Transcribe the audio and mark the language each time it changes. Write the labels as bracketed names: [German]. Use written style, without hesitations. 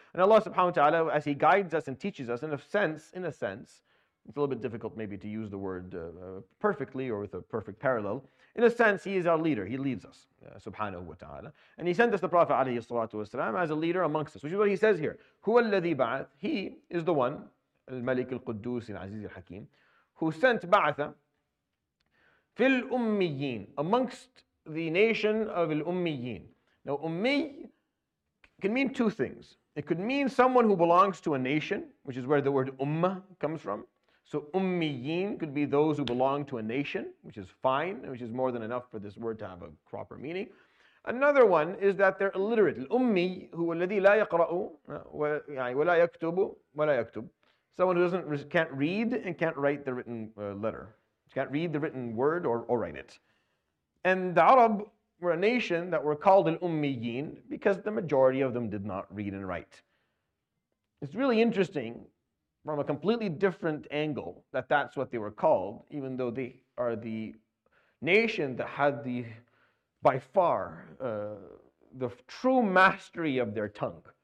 [English] And Allah Subhanahu wa Taala, as He guides us and teaches us, in a sense, it's a little bit difficult maybe to use the word perfectly or with a perfect parallel. In a sense, He is our leader. He leads us, Subhanahu wa Taala, and He sent us the Prophet alayhi salatu wasalam as a leader amongst us, which is what He says here. [Arabic] Huwa alladhi ba'ath. [English] He is the one. [Arabic] الملك القدوس العزيز الحكيم [English] who sent [Arabic] بعثة في الأميين [English] amongst the nation of [Arabic] الأميين. [English] Now أمي can mean two things. It could mean someone who belongs to a nation, which is where the word أمة comes from. So أميين could be those who belong to a nation, which is fine, which is more than enough for this word to have a proper meaning. Another one is that they're illiterate. [Arabic] الأمي هو الذي لا يقرأ ولا يكتب ولا يكتب. [English] Someone who doesn't can't read and can't write the written letter. Can't read the written word or write it. And the Arab were a nation that were called al-Ummiyin because the majority of them did not read and write. It's really interesting from a completely different angle that that's what they were called, even though they are the nation that had the by far the true mastery of their tongue.